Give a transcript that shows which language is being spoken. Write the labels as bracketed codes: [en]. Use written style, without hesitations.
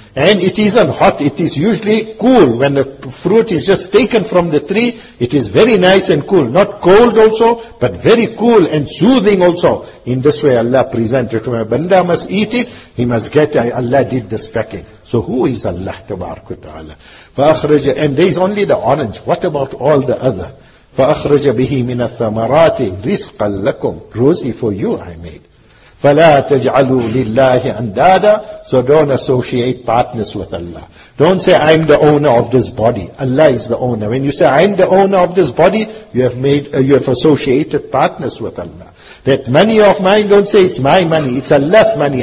[en] And it isn't hot, it is usually cool. When the fruit is just taken from the tree, it is very nice and cool. Not cold also, but very cool and soothing also. In this way Allah presented to my banda, must eat it, he must get it. Allah did this packing. So who is Allah tabarak wa ta'ala? فأخرج, and there is only the orange. What about all the other? [ar] فَأَخْرَجَ بِهِ مِنَ الثَّمَرَاتِ رِزْقًا لَكُمْ [en] Rosy for you I made. [ar] فَلَا تَجْعَلُوا لِلَّهِ أَنْدَادًا [en] So don't associate partners with Allah. Don't say, I'm the owner of this body. Allah is the owner. When you say, I'm the owner of this body, you have associated partners with Allah. That money of mine, don't say it's my money, it's Allah's money.